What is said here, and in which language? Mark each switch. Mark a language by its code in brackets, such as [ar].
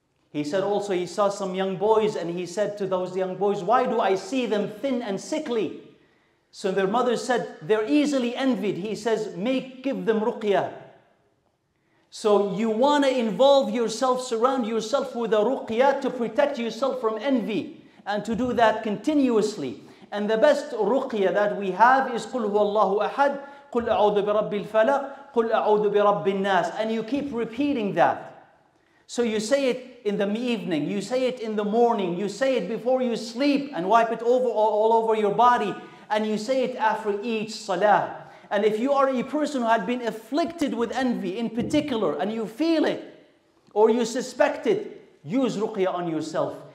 [en] He said also he saw some young boys, and he said to those young boys, why do I see them thin and sickly? So their mother said, they're easily envied. He says, give them ruqyah. So you want to involve yourself, surround yourself with a ruqyah to protect yourself from envy, and to do that continuously. And the best ruqyah that we have is [ar] قُلْ هُوَ اللَّهُ أَحَدْ قُلْ أَعُوذُ بِرَبِّ الْفَلَقِ قُلْ أَعُوذُ بِرَبِّ النَّاسِ. [en] And you keep repeating that. So you say it in the evening, you say it in the morning, you say it before you sleep and wipe it over all over your body, and you say it after each salah. And if you are a person who had been afflicted with envy in particular, and you feel it, or you suspect it, use ruqyah on yourself.